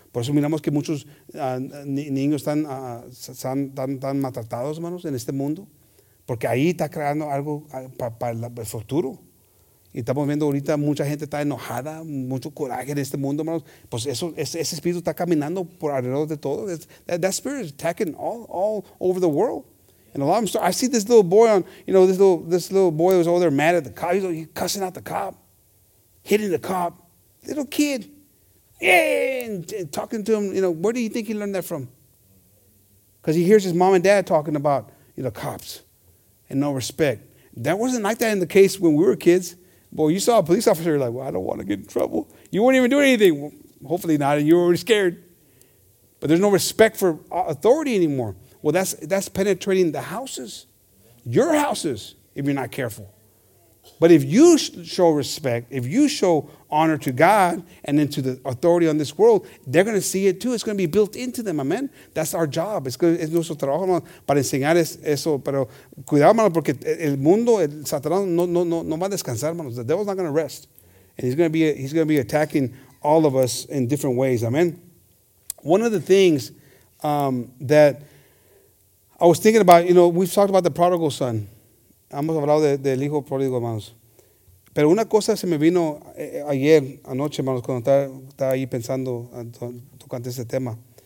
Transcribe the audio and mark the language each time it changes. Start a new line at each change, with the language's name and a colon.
Spanish: Por eso miramos que muchos niños están maltratados, hermanos, en este mundo, porque ahí está creando algo para el futuro. Y estamos viendo ahorita mucha gente está enojada, mucho coraje en este mundo, hermanos. Pues eso, ese espíritu está caminando por alrededor de todo.
English: That spirit is attacking all over the world. And a lot of them I see this little boy on, you know, this little boy was over there mad at the cop. He's cussing out the cop, hitting the cop. Little kid. And talking to him, you know, where do you think he learned that from? Because he hears his mom and dad talking about, you know, cops and no respect. That wasn't like that in the case when we were kids. Boy, you saw a police officer, you're like, well, I don't want to get in trouble. You wouldn't even do anything. Well, hopefully not, and you were already scared. But there's no respect for authority anymore. Well, that's penetrating the houses, your houses, if you're not careful. But if you show respect, if you show honor to God and then to the authority on this world, they're going to see it too. It's going to be built into them, amen? That's our job.
Spanish: Es nuestro trabajo, para enseñar eso. Pero cuidado, hermano, porque el mundo, el Satanás, no va a descansar, hermano.
English: The devil's not going to rest. And he's going to be attacking all of us in different ways, amen? One of the things that I was thinking about, you know, we've talked about the prodigal son.
Spanish: Hemos hablado del hijo pródigo, hermanos. Pero una cosa se me vino ayer, anoche, hermanos, cuando estaba ahí pensando tocando este tema.